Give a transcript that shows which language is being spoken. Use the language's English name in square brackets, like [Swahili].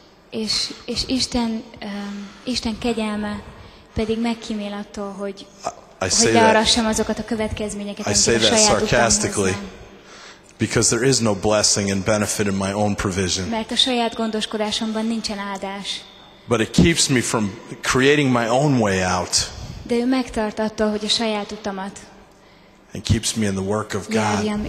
[Hungarian] És Isten Isten kegyelme pedig megkímél attól, hogy learassam azokat a következményeket, amiket a saját utamhoz. [English] I say that sarcastically, because there is no blessing and benefit in my own provision. [Hungarian] Mert a saját gondoskodásomban nincsen áldás. [English] But it keeps me from creating my own way out. [Hungarian] De ő megtart attól, hogy a saját utamat. [English] And keeps me in the work of God.